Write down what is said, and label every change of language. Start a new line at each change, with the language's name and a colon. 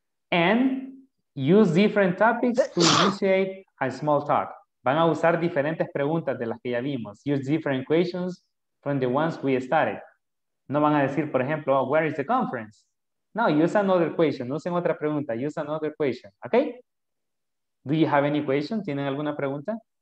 English: And use different topics to initiate a small talk.
Spanish: Van a usar diferentes preguntas de las que ya vimos.
English: Use different questions from the ones we started.
Spanish: No van a decir, por ejemplo,
English: oh, where is the conference? No, use another question.
Spanish: Usen otra pregunta.
English: Use another question. Okay? Do you have any question?
Spanish: ¿Tienen alguna pregunta?